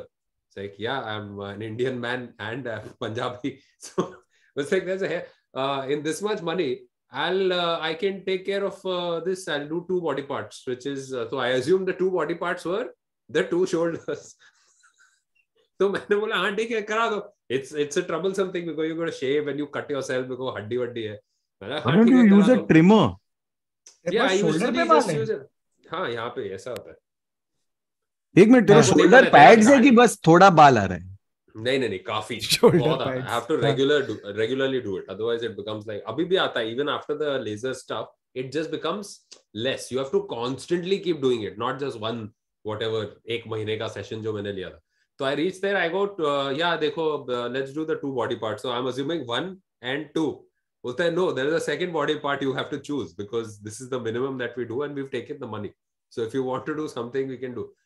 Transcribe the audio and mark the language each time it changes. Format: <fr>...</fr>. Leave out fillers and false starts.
<en>It's like, yeah, I'm an Indian man and a Punjabi. So it's like, there's a hair. In this much money, I can take care of this. I'll do two body parts, which is, so I assume the two body parts were the two shoulders.</en> <hi>तो मैंने बोला हाँ ठीक है करा दो</hi> <en>it's a trouble something because you got to shave and you cut yourself because</en> <hi>हड्डी वड्डी है मैंने हाँ</hi> <en>you use a trimmer</en> <hi>या यूजली हाँ यहाँ पे ऐसा होता है एक मिनट तेरा शोल्डर पैड्स है कि बस थोड़ा बाल आ रहा है नहीं नहीं काफी बहुत</hi> <en>I have to regularly do it otherwise it becomes like</en> <hi>अभी भी आता है</hi> <en>even after the laser stuff it just becomes less you have to constantly keep doing it not just one whatever</en> <hi>एक महीने का सेशन जो मैंने लिया था</hi> <en>So I reached there, I go, yeah,</en> <hi>dekho,</hi> <en>let's do the two body parts. So I'm assuming one and two. Well, then, no, there is a second body part you have to choose because this is the minimum that we do and we've taken the money. So if you want to do something, we can do.</en>